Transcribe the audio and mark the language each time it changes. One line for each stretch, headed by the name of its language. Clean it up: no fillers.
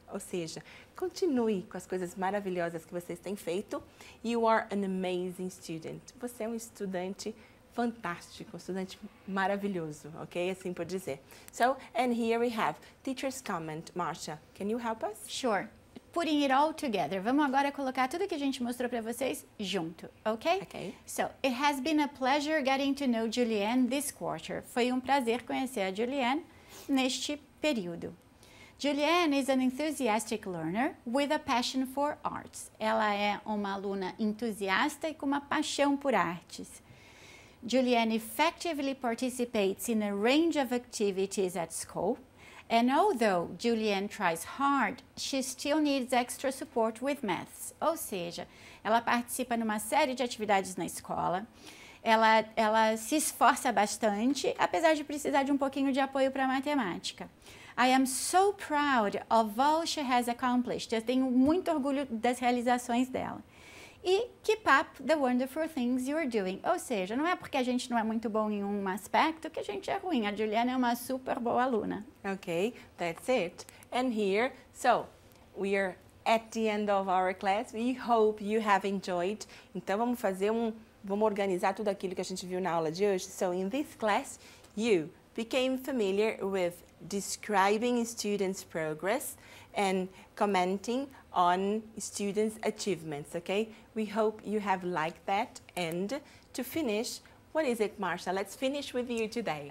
Portuguese: Ou seja, continue com as coisas maravilhosas que vocês têm feito.
English: You are an amazing student.
Portuguese: Você é um estudante fantástico, um estudante maravilhoso, ok? Assim por dizer.
English: So, and here we have teacher's comment. Marcia, can you help us? Sure. Putting it all together.
Portuguese: Vamos agora colocar tudo que a gente mostrou para vocês junto, ok? Ok.
English: So, it has been a pleasure getting to know Julianne this quarter.
Portuguese: Foi um prazer conhecer a Julianne neste período.
English: Julianne is an enthusiastic learner with a passion for arts.
Portuguese: Ela é uma aluna entusiasta e com uma paixão por artes.
English: Julianne effectively participates in a range of activities at school. And although Julianne tries hard, she still needs extra support with maths.
Portuguese: Ou seja, ela participa numa série de atividades na escola. Ela se esforça bastante, apesar de precisar de um pouquinho de apoio para a matemática.
English: I am so proud of all she has accomplished.
Portuguese: Eu tenho muito orgulho das realizações dela. E
English: keep up the wonderful things you're doing.
Portuguese: Ou seja, não é porque a gente não é muito bom em um aspecto que a gente é ruim. A Julianne é uma super boa aluna.
English: Okay, that's it. And here, so, we are at the end of our class. We hope you have enjoyed.
Portuguese: Então, vamos fazer vamos organizar tudo aquilo que a gente viu na aula de hoje.
English: So, in this class, you became familiar with describing students' progress and commenting on students' achievements, okay? We hope you have liked that. And to finish, what is it, Marcia? Let's finish with you today.